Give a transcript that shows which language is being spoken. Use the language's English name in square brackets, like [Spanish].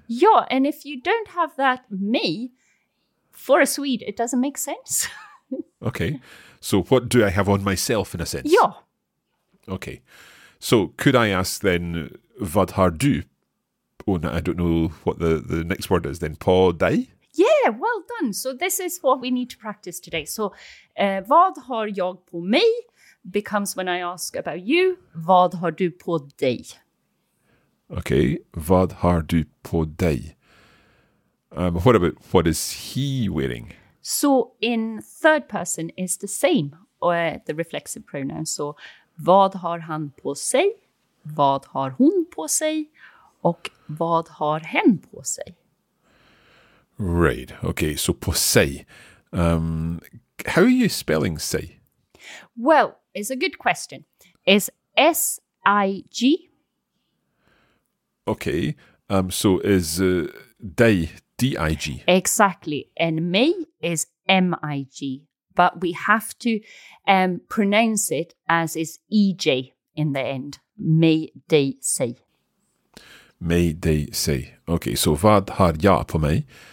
[English] Yeah, and if you don't have that me, for a Swede, it doesn't make sense. Okay. So what do I have on myself, in a sense? [Swedish] Ja. [English] Okay. So could I ask then, [Swedish] vad har du? [English] Oh, no, I don't know what the next word is then. [Swedish] På dig? [English] Yeah, well done. So this is what we need to practice today. [Swedish] So vad har jag på mig [English] becomes when I ask about you, [Swedish] vad har du på dig? Okay. Vad har du på dig? [English] What about what is he wearing? So in third person is the same, or the reflexive pronoun. [Swedish] So vad har han på sig? Vad har hon på sig? Och vad har hen på sig? [English] Right. Okay. So [Swedish] på sig. [English] How are you spelling sig? Well, it's a good question. It's S-I-G. Okay. So is die, D-I-G. Exactly. And mig is M-I-G. But we have to pronounce it as is E-J in the end. [Swedish] Mig, dig, sig. Mig, dig, sig. Okay, so vad har jag på mig?